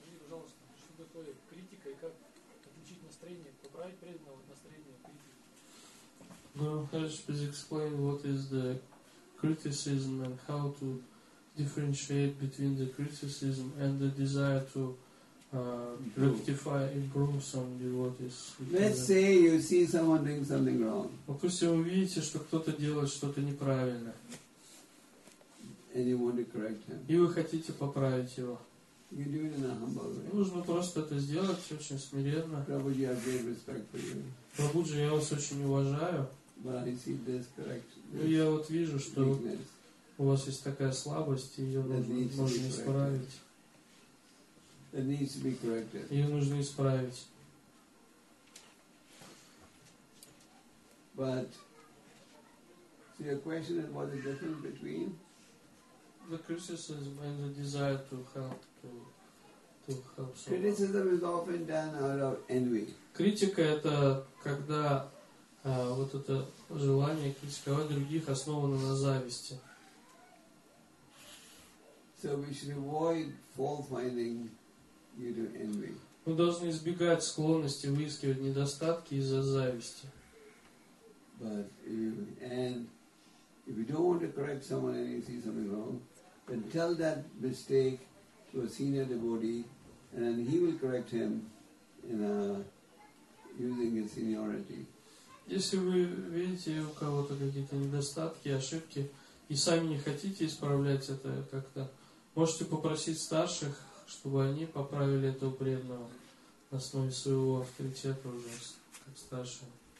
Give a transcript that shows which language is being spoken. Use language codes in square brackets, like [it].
[ru] Пожалуйста, что такое критика и как отличить настроение, поправить преданного от настроения критики? [en] Guru Maharaj, please explain what is the criticism and how to differentiate between the criticism and the desire to rectify, improve some devotees. Let's say you see someone doing something wrong. [ru] Допустим, вы видите, что кто-то делает что-то неправильно. [en] And you want to correct him. [ru] И вы хотите поправить его. [en] You do it in a humble way. [ru] Нужно просто это сделать очень смиренно. [en] Prabhuji, I have great respect for you. [ru] Prabhuji, я вас очень уважаю. [en] But I see this correction. [ru] И я вот вижу, что у вас есть такая слабость, и ее нужно исправить. [en] It needs to be corrected. [ru] Ее нужно исправить. [en] But so your question is, what is the difference between the criticism and the desire to help someone? Criticism is often done out of envy. [ru] Критика — это когда вот это желание критиковать других основано на зависти. [en] So we should avoid fault finding. [ru] Мы должны избегать склонности выискивать недостатки из-за зависти. [en] But if you don't want to correct someone and you see something wrong, then tell that mistake to a senior devotee, and then he will correct him in using his seniority. [ru] Если вы видите у кого-то какие-то недостатки, ошибки, и сами не хотите исправлять это как-то, можете попросить старших, чтобы они поправили этого преданного на основе своего авторитета уже как старшего.